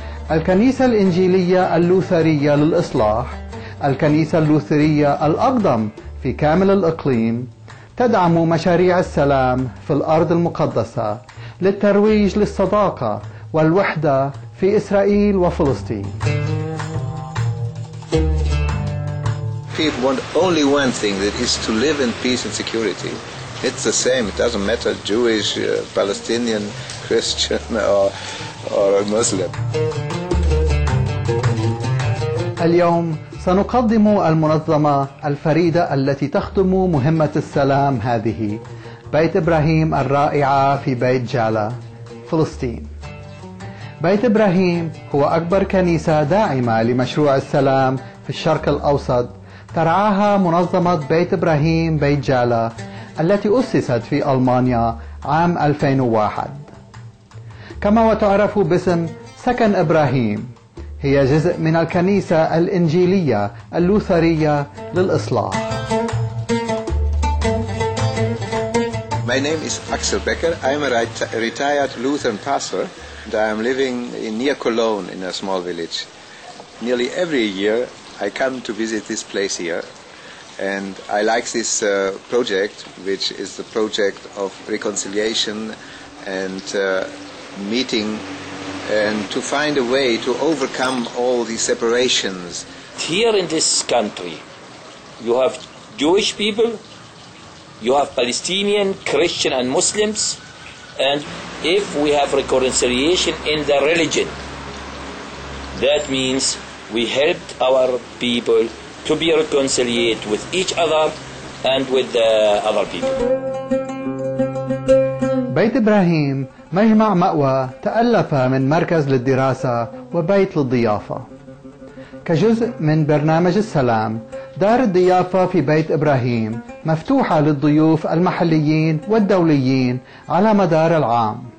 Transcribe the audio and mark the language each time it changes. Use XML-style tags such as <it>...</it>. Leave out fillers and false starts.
<ar>الكنيسة الإنجيلية اللوثرية للإصلاح، الكنيسة اللوثرية الأقدم في كامل الإقليم، تدعم مشاريع السلام في الأرض المقدسة للترويج للصداقة والوحدة في إسرائيل وفلسطين.</ar> <en>People want only one thing, that is to live in peace and security. It's the same. It doesn't matter Jewish, Palestinian, Christian, or a Muslim.</en> <ar>اليوم سنقدم المنظمة الفريدة التي تخدم مهمة السلام هذه، بيت إبراهيم الرائعة في بيت جالا فلسطين. بيت إبراهيم هو أكبر كنيسة داعمة لمشروع السلام في الشرق الأوسط، ترعاها منظمة بيت إبراهيم بيت جالا التي أسست في ألمانيا عام 2001، كما وتعرف باسم سكن إبراهيم. هي جزء من الكنيسة الإنجيلية اللوثرية للإصلاح.</ar> <en>My name is Axel Becker. I'm a retired Lutheran pastor and I'm living near Cologne in a small village. Nearly every year I come to visit this place here and I like this project, which is the project of reconciliation and meeting and to find a way to overcome all these separations. Here in this country, you have Jewish people, you have Palestinian, Christian and Muslims, and if we have reconciliation in the religion, that means we helped our people to be reconciled with each other and with the other people.</en> <ar>بيت إبراهيم مجمع مأوى تألف من مركز للدراسة وبيت للضيافة. كجزء من برنامج السلام، دار الضيافة في بيت إبراهيم مفتوحة للضيوف المحليين والدوليين على مدار العام.</ar>